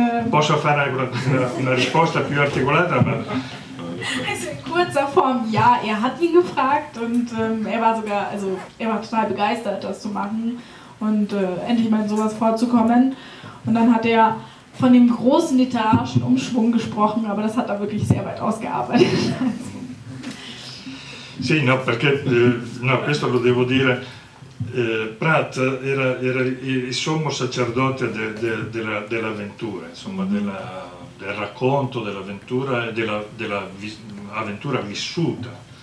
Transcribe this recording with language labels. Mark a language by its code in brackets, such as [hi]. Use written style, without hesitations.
[it] Posso fare una risposta più articolata, ma... [de] Also in kurzer Form, ja, er hat ihn gefragt und er war total begeistert, das zu machen und endlich mal in sowas vorzukommen. Und dann hat er von dem großen literarischen Umschwung gesprochen, aber das hat er wirklich sehr weit ausgearbeitet. [it] Sì, no, perché, no, questo lo devo dire. Pratt era il sommo sacerdote della dell'avventura, insomma, della del racconto, dell'avventura e della avventura vissuta.